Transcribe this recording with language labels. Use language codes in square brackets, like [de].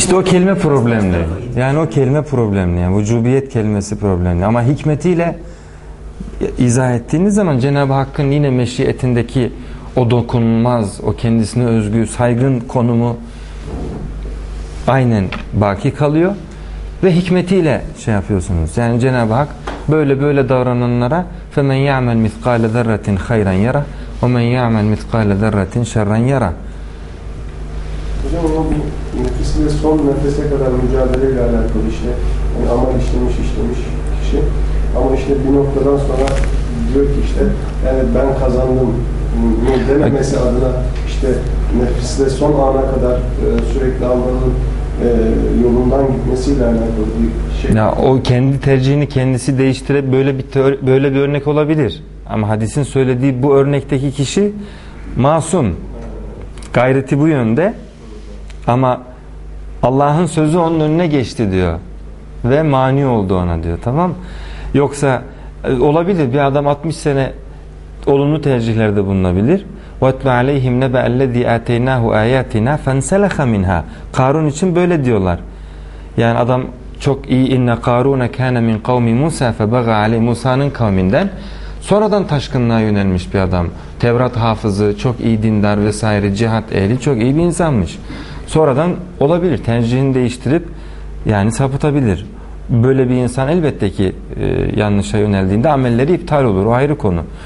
[tr] İşte o kelime problemli. Yani o kelime problemli. Yani vücubiyet kelimesi problemli. Ama hikmetiyle izah ettiğiniz zaman Cenab-ı Hakk'ın yine meşiyetindeki o dokunulmaz, o kendisine özgü, saygın konumu aynen baki kalıyor. Ve hikmetiyle şey yapıyorsunuz. Yani Cenab-ı Hak böyle böyle davrananlara [ar] فَمَنْ يَعْمَلْ مِثْقَالَ ذَرَّةٍ خَيْرًا يَرَى وَمَنْ يَعْمَلْ مِثْقَالَ ذَرَّةٍ شَرًّا يَرَى. [tr] Hocam o nefesinde son nefese kadar mücadeleyle alakalı işte. Yani amel işlemiş kişi. Ama işte bir noktadan sonra diyor ki işte yani ben kazandım dememesi adına işte nefesinde son ana kadar sürekli amelin yolundan gitmesiyle alakalı bir şey. Ya o kendi tercihini kendisi değiştirebilir. Böyle bir örnek olabilir. Ama hadisin söylediği bu örnekteki kişi masum. Gayreti bu yönde. Ama Allah'ın sözü onun önüne geçti diyor. Ve mani oldu ona diyor. Tamam. Yoksa olabilir. Bir adam 60 sene olumlu tercihlerde bulunabilir. [ar] وَاتْلُ عَلَيْهِمْ نَبَا الَّذ۪ي اَتَيْنَاهُ اَيَاتِنَا فَانْسَلَخَ مِنْهَا. [tr] Karun için böyle diyorlar. Yani adam çok iyi, [ar] اِنَّ قَارُونَ كَانَ مِنْ قَوْمِ مُوسَى فَبَغَى عَلَيْهِ [tr] Musa'nın kavminden. Sonradan taşkınlığa yönelmiş bir adam. Tevrat hafızı, çok iyi dindar vesaire, cihat ehli, çok iyi bir insanmış. Sonradan olabilir, tercihini değiştirip yani sapıtabilir. Böyle bir insan elbette ki yanlışa yöneldiğinde amelleri iptal olur, o ayrı konu.